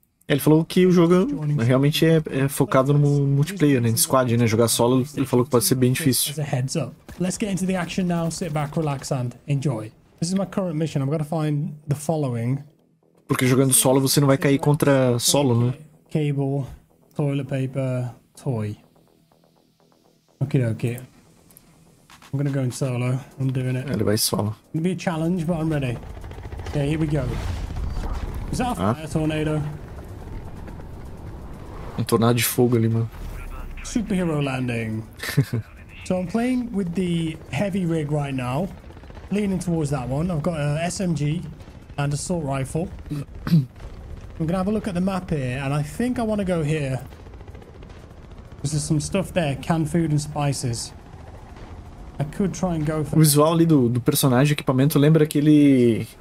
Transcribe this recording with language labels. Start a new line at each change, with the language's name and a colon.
Portuguese: Ele falou que o jogo realmente é focado no multiplayer, né? Em squad, né? Jogar solo, ele falou que pode ser bem difícil.
English: Let's get into the action now, sit back, relax and enjoy. This is my current mission. I'm gonna find the following.
Portuguese: Porque jogando solo você não vai cair contra solo, né?
English: Cable, toilet paper, toy. Okie dokie. I'm gonna go in solo. I'm doing it.
Portuguese: Ele vai solo.
English: It'll be a challenge, but I'm ready. Okay, here we go. Is that a fire tornado?
Portuguese: Um tornado de fogo ali, mano.
English: Superhero landing. So I'm playing with the heavy rig right now. Leaning towards that one. I've got a SMG and assault rifle. I'm gonna have a look at the map here, and I think I want to go here. Because there's some stuff there, canned food and spices. I could try and go for
Portuguese: it. O visual ali do personagem, equipamento, lembra aquele...